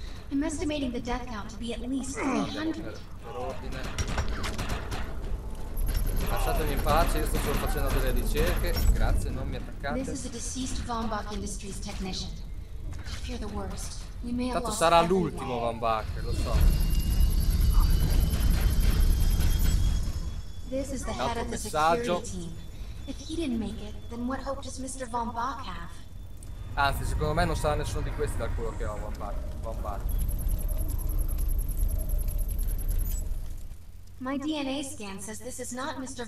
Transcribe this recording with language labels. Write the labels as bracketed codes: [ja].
[en] I'm estimating the death count to be at least 300. [it] Lasciatemi in pace, io sto solo facendo delle ricerche. Grazie, non mi attaccate. [en] This is a deceased Von Bock Industries technician. I fear the worst. We may have lost. [it] Sarà l'ultimo Von Bock, lo so. [en] This is the head of the security team. If he didn't make it, then what hope does Mr. Von Bock have? [it] Anzi, secondo me non sarà nessuno di questi dal quello che ho, Von Bock. Von Bock. [en] My DNA scan says this is not Mr.